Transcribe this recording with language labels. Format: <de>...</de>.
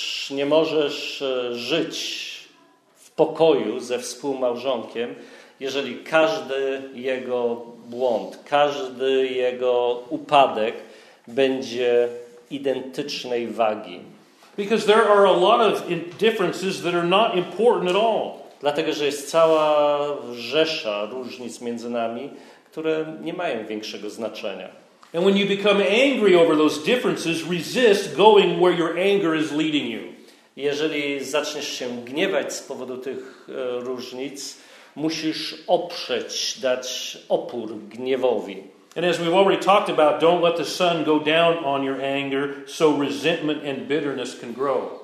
<pl>Nie możesz żyć w pokoju ze współmałżonkiem, jeżeli każdy jego błąd, każdy jego upadek będzie identycznej wagi.</pl> <en>Because there are a lot of differences that are not important at all.</en> <pl>Dlatego, że jest cała rzesza różnic między nami, które nie mają większego znaczenia.</pl> <en>And when you become angry over those differences, resist going where your anger is leading you.</en> <pl>Jeżeli zaczniesz się gniewać z powodu tych różnic, musisz oprzeć, dać opór gniewowi.</pl> <en>And as we've already talked about, don't let the sun go down on your anger, so resentment and bitterness can grow.</en>